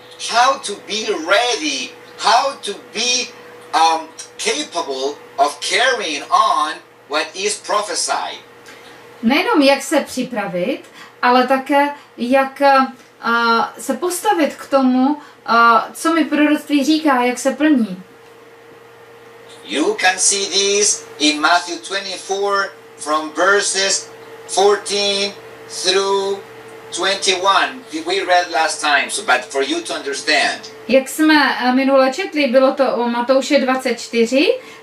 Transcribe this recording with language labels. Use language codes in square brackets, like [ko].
[en] How to be ready, how to be capable of carrying on what is prophesied. [cs] Nejenom jak se připravit, ale také jak se postavit k tomu, co mi proroctví říká, jak se plní. [en] You can see this in Matthew 24 from verses 14 through 21. We read last time, so but for you to understand. [cs] Jak jsme minule četli, bylo to o Matouše 24.